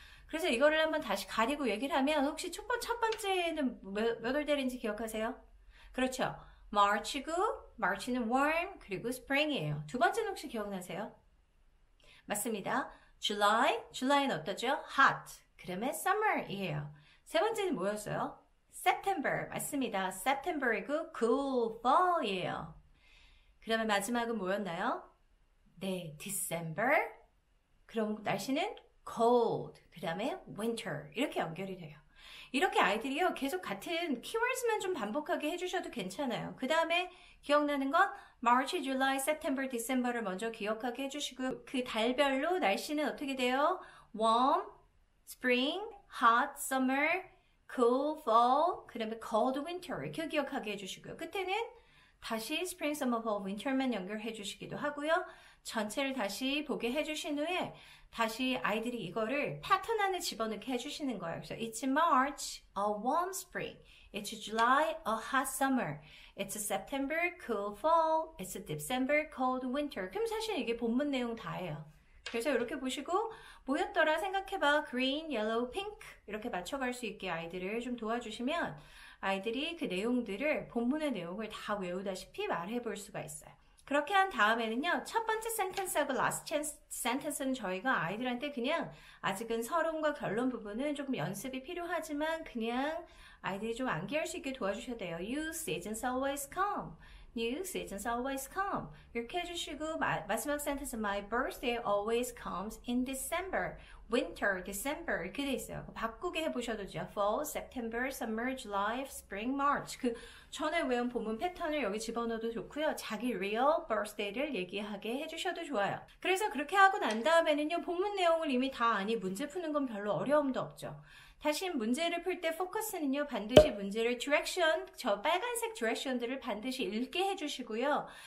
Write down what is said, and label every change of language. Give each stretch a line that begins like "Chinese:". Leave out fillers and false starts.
Korean: 그래서 이거를 한번 다시 가리고 얘기를 하면 혹시 첫 번째는 몇월 달인지 기억하세요? 그렇죠. March고, March는 warm, 그리고 spring이에요. 두 번째는 혹시 기억나세요? 맞습니다. July, July는 어떠죠? hot, 그다음에 summer이에요. 세 번째는 뭐였어요? September, 맞습니다. September이고, cool, fall이에요. 그다음에 마지막은 뭐였나요? 네, December. 그럼 날씨는 cold, 그다음에 winter. 이렇게 연결이 돼요. 이렇게 아이들이요, 계속 같은 키워드만 좀 반복하게 해주셔도 괜찮아요. 그 다음에 기억나는 건 March, July, September, December를 먼저 기억하게 해주시고, 그 달별로 날씨는 어떻게 돼요?
English: Warm, Spring, Hot, Summer, Cool, Fall, 그 다음에 Cold, Winter
Korean: 이렇게 기억하게 해주시고요. 끝에는 다시 Spring, Summer, Fall, Winter만 연결해주시기도 하고요. 전체를 다시 보게 해주신 후에 다시 아이들이 이거를 패턴 안에 집어넣게 해주시는 거예요. 그래서
English: It's March, a warm spring. It's July, a hot summer. It's September, cool fall. It's December, cold winter.
Korean: 그럼 사실 이게 본문 내용 다예요. 그래서 이렇게 보시고 뭐였더라 생각해봐. Green, yellow, pink 이렇게 맞춰갈 수 있게 아이들을 좀 도와주시면 아이들이 그 내용들을 본문의 내용을 다 외우다시피 말해볼 수가 있어요. 그렇게 한 다음에는요, 첫 번째 sentence하고 last sentence는 저희가 아이들한테 그냥 아직은 서론과 결론 부분은 조금 연습이 필요하지만 그냥 아이들이 좀 암기할 수 있게 도와주셔야 돼요.
English: New seasons always come. New seasons always come.
Korean: 이렇게 해주시고,
English: 마지막 sentence, My birthday always comes in December.
Korean: Winter, December. 이렇게 돼 있어요. 바꾸게 해보셔도 돼요.
English: Fall, September, Summer, July, Spring, March.
Korean: 그 전에 외운 본문 패턴을 여기 집어넣어도 좋고요. 자기 real birthday를 얘기하게 해주셔도 좋아요. 그래서 그렇게 하고 난 다음에는요, 본문 내용을 이미 다 아니, 문제 푸는 건 별로 어려움도 없죠. 다시 문제를 풀때 포커스는요, 반드시 문제를 direction, 저 빨간색 direction들을 반드시 읽게 해주시고요.